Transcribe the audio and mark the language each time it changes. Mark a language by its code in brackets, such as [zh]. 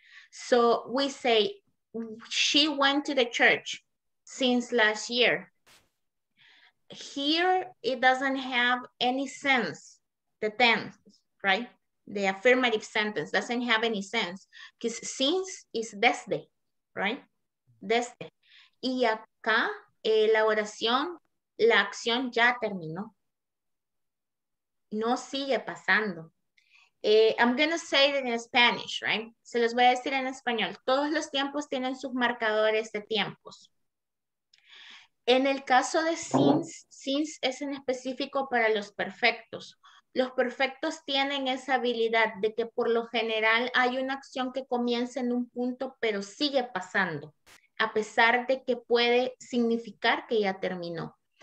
[en] So we say, she went to the church since last year. Here, it doesn't have any sense, the tense, right? The affirmative sentence doesn't have any sense, because since is desde, right? [es] Desde. Y acá, la oración, la acción ya terminó. No sigue pasando. [en] I'm going to say it in Spanish, right? [es] Se los voy a decir en español. Todos los tiempos tienen sus marcadores de tiempos. En el caso de since, since es en específico para los perfectos. Los perfectos tienen esa habilidad de que por lo general hay una acción que comienza en un punto, pero sigue pasando, a pesar de que puede significar que ya terminó.